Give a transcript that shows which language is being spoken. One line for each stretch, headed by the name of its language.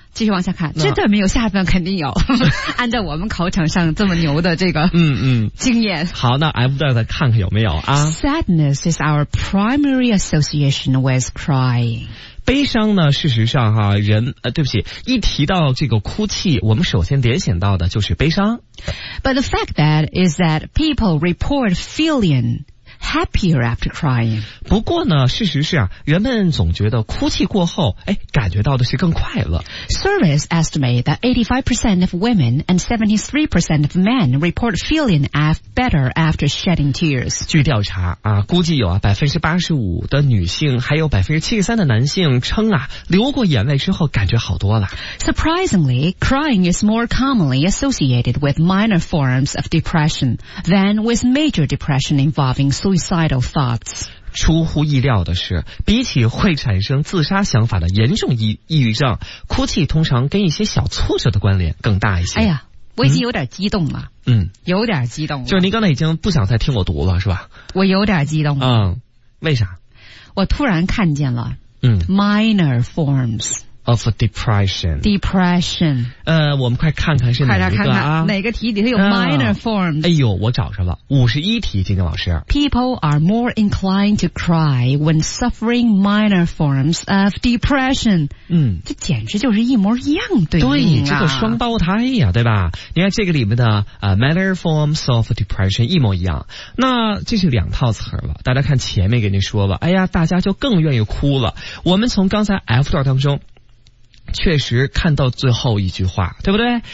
Chinese: 继续往下看，这段没有，下段肯定有。按照我们考场上这么牛的这个经验，好，那 F 段再看看有没有啊。
English: Sadness is our primary association with crying.
Chinese: 悲伤呢，事实上哈，人对不起，一提到这个哭泣，我们首先联想到的就是悲伤。
English: But the fact that is that people report feeling happier after crying.
Chinese: 不过呢，事实是啊，人们总觉得哭泣过后，哎，感觉到的是更快乐。
English: Surveys estimate that 85% of women and 73% of men report feeling better after shedding tears.
Chinese: 据调查啊，估计有啊85%的女性，还有73%的男性称啊，流过眼泪之后感觉好多了。
English: Surprisingly, crying is more commonly associated with minor forms of depression than with major depression involving suicidal thoughts.
Chinese: 出乎意料的是，比起会产生自杀想法的严重抑郁症，哭泣通常跟一些小挫折的关联更大一些。哎呀，我已经有点激动了。嗯，有点激动了。就是您刚才已经不想再听我读了，是吧？我有点激动了。嗯，为啥？我突然看见了。嗯
English: ，minor forms of depression。 depression。
Chinese: 我们快看看是哪一个啊？快点看看哪个题里头有 minor forms？哎呦，我找着了，51题，金晶老师。
English: People are more inclined to cry when suffering minor forms of depression。
Chinese: 嗯，这简直就是一模一样对应啊！对，这个双胞胎呀、啊，对吧？你看这个里面的
English: minor forms of depression
Chinese: 一模一样，那这是两套词了。大家看前面给您说吧，哎呀，大家就更愿意哭了。我们从刚才 F 段当中。确实看到最后一句话，对不对？